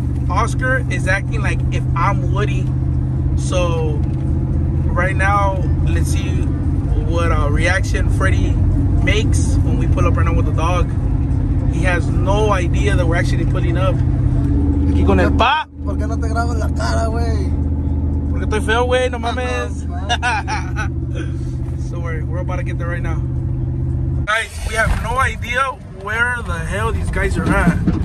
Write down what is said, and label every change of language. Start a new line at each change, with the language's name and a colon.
English: Oscar is acting like if I'm Woody. So right now, let's see what a reaction Freddy makes when we pull up right now with the dog. He has no idea that we're actually pulling up.
Spanish: Aquí con el pa. ¿Por qué no te grabas la cara, güey? Porque estoy feo, güey, no mames.
English: So we're about to get there right now. Guys, we have no idea where the hell these guys are at.